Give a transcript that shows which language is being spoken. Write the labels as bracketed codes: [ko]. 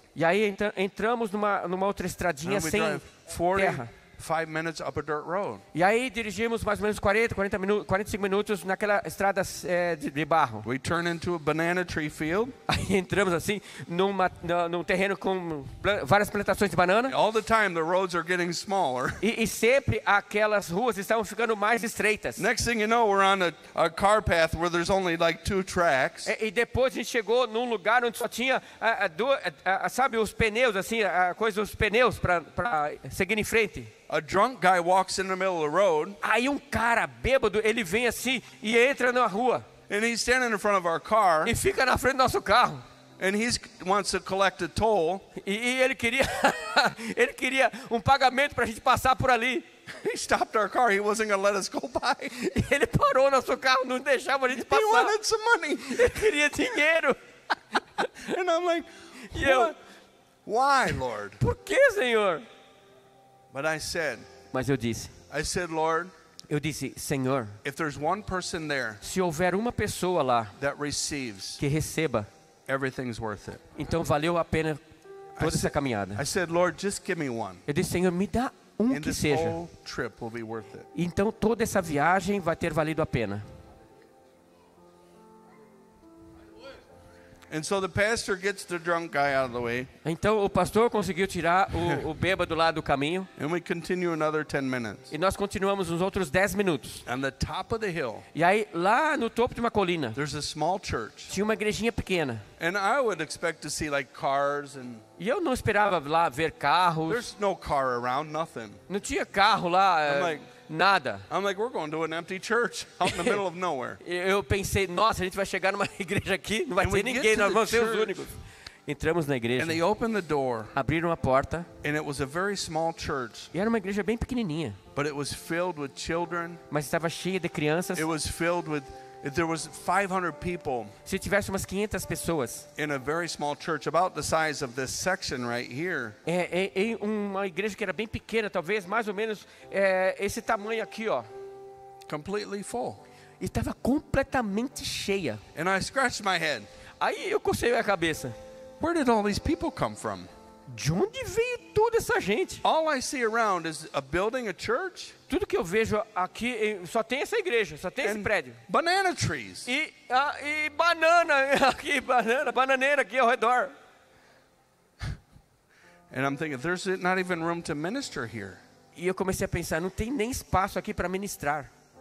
[pt] E aí entramos numa outra estradinha sem terra. [en] 5 minutes up a dirt road. [pt] E aí dirigimos mais ou menos 45 minutos naquela estrada de barro. [en] We turn into a banana tree field. [pt] Aí entramos assim num terreno com várias plantações de banana. [en] All the time the roads are getting smaller. [pt] E sempre aquelas ruas estavam ficando mais estreitas. [en] Next thing you know, we're on a car path where there's only like 2 tracks. [pt] E depois a gente chegou num lugar onde só tinha sabe, os pneus assim, a coisa dos pneus para seguir em frente. [en] A drunk guy walks in the middle of the road. [pt] Aí cara bêbado, ele vem assim e entra na rua. [en] And he's standing in front of our car. [pt] E fica na frente do nosso carro. [en] And he wants to collect a toll. [pt] E ele queria ele queria pagamento pra gente passar por ali. [en] He stopped our car. He wasn't going to let us go by. [pt] Ele parou nosso carro, não deixava a gente passar. [en] He wanted some money. [pt] Ele queria dinheiro. [en] And I'm like, why, Lord? [pt] Por que, Senhor? [en] But I said, [pt] mas eu disse, [en] I said, Lord, [pt] eu disse, Senhor, [en] if there's one person there, [pt] se houver uma pessoa lá [en] that receives, [pt] que receba, [en] everything's worth it. [pt] Então valeu a pena toda essa caminhada. [en] I said, Lord, just give me one. [pt] Eu disse, Senhor, me dá que [en] this [pt] seja. [en] Whole trip will be worth it. [pt] Então toda essa viagem vai ter valido a pena. [en] And so the pastor gets the drunk guy out of the way. [pt] Então o pastor conseguiu tirar o bêbado lá do caminho. [en] And we continue another 10 minutes. [pt] E nós continuamos uns outros 10 minutos. [en] On the top of the hill. [pt] E aí lá no topo de uma colina. [en] There's a small church. [pt] Tinha uma igrejinha pequena. [en] And I would expect to see like cars and. [pt] E eu não esperava lá ver carros. [en] There's no car around, nothing. [pt] Não tinha carro lá. Nada. [en] I'm like, we're going to an empty church out in the middle of nowhere. [pt] Eu pensei, nossa, a gente vai chegar numa igreja aqui, não vai ter ninguém, nós vamos ser os únicos. Entramos na igreja. [en] And they opened the door. [pt] Abriram a porta. [en] And it was a very small church. [pt] E era uma igreja bem pequenininha. [en] But it was filled with children. [pt] Mas estava cheia de crianças. [en] It was filled with, there was 500 people. [pt] Se tivesse umas 500 pessoas. [en] In a very small church, about the size of this section right here. [pt] É uma igreja que era bem pequena, talvez mais ou menos esse tamanho aqui, ó. [en] Completely full. [pt] Estava completamente cheia. [en] And I scratched my head. [pt] Aí eu cocei a cabeça. [en] Where did all these people come from? [pt] De onde veio toda essa gente? [en] All I see around is a building, a church. [pt] Tudo que eu vejo aqui só tem essa igreja, só tem [en] and [pt] esse prédio. [en] Banana trees. [pt] E banana aqui, banana, bananeira aqui ao redor. [en] And I'm thinking, there's not even room to minister here. [pt] E eu comecei a pensar, não tem nem espaço aqui para ministrar.